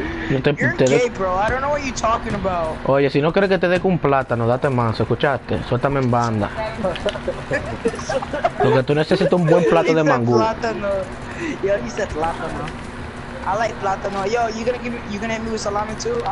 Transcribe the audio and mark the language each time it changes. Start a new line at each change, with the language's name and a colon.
English: You're gay, bro, I don't know what you're talking about.
Spanish: Oye, si no quieres que te dé con plátano, date manso, ¿escuchaste? Suéltame en banda. Porque tú necesitas un buen plato de mangú. Plátano. Yo, hice plátano.
English: I like plátano. Yo, you gonna hit me with salami too?